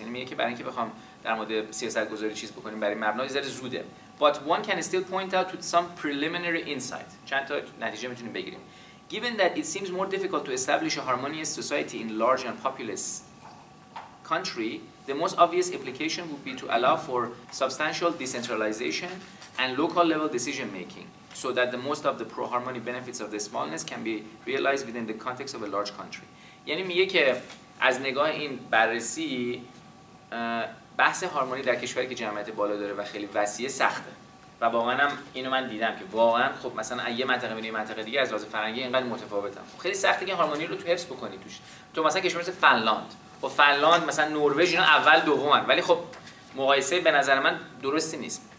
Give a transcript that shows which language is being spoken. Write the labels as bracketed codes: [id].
[fa] یعنی میگه که برای اینکه بخوام در مورد سیاست گذاری چیز بکنیم برای مبنای زر زوده. [en] But one can still point out to some preliminary insight. چند تا نتیجه میتونیم بگیریم. Given that it seems more difficult to establish a harmonious society in large and populous country, the most obvious implication would be to allow for substantial decentralization and local level decision making. So that the most of the pro-harmony benefits of the smallness can be realized within the context of a large country. [fa] یعنی میگه که از نگاه این بررسی بحث هارمونی در کشوری که جمعیت بالا داره و خیلی وسیع سخته. و واقعا هم اینو من دیدم که واقعا خب مثلا یه منطقه بین یه منطقه دیگه از لحاظ فرهنگی اینقدر متفاوتن. خب خیلی سخته که هارمونی رو تو حفظ بکنی توش. تو مثلا کشور مثل فنلاند، خب فنلاند مثلا نروژ اینا اول دومن، ولی خب مقایسه به نظر من درستی نیست.